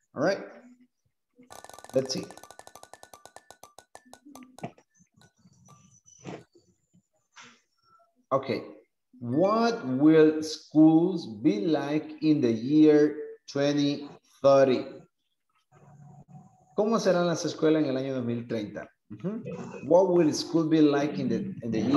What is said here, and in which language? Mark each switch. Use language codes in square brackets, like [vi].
[en] All right, let's see. Okay, what will schools be like in the year 2030? [es] ¿Cómo serán las escuelas en el año 2030? [en] What will school be like in the year?